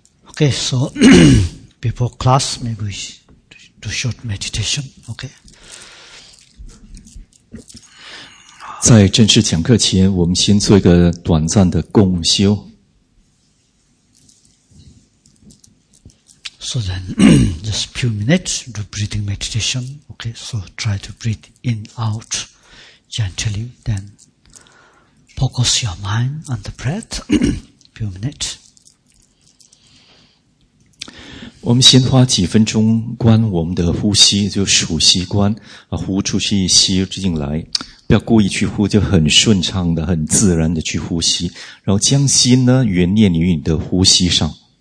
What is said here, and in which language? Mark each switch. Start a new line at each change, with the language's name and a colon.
English: Okay, so before class, maybe we do short meditation, okay?
Chinese: 在正式讲课前，我们先做一个短暂的共修。
English: So then, just a few minutes, do breathing meditation, okay? So try to breathe in, out gently, then focus your mind on the breath. Few minutes.
Chinese: 我们先花几分钟观我们的呼吸，就数息观，呼出去，吸进来，不要故意去呼，就很顺畅的、很自然的去呼吸，然后将心呢原念于你的呼吸上。